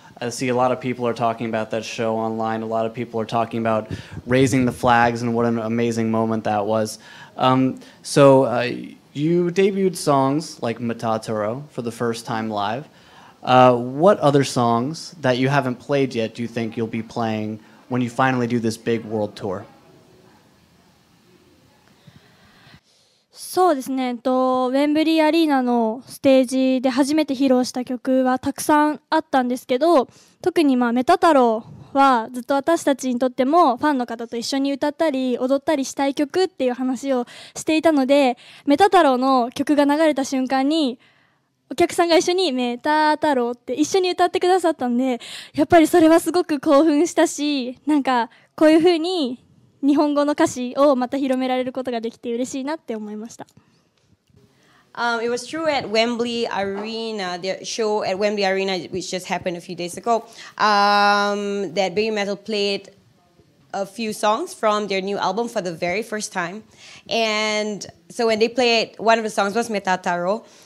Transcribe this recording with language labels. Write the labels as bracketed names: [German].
[English] I see a lot of people are talking about that show online. A lot of people are talking about raising the flags and what an amazing moment that was. You debuted songs like Matatoro for the first time live. What other songs that you haven't played yet do you think you'll be playing when you finally do this big world tour? [Japanese] そうですね。ウェンブリーアリーナのステージで初めて披露した曲はたくさんあったんですけど、特にまあメタタロはずっと私たちにとってもファンの方と一緒に歌ったり踊ったりしたい曲っていう話をしていたので、メタ太郎の曲が流れた瞬間にお客さんが一緒にメタ太郎って一緒に歌ってくださったんで、やっぱりそれはすごく興奮したし、なんかこういうふうに日本語の歌詞をまた広められることができて嬉しいなって思いました。 [English] It was true at Wembley Arena, the show at Wembley Arena, which just happened a few days ago, that BABYMETAL played a few songs from their new album for the very first time. And so when they played, one of the songs was Metataro.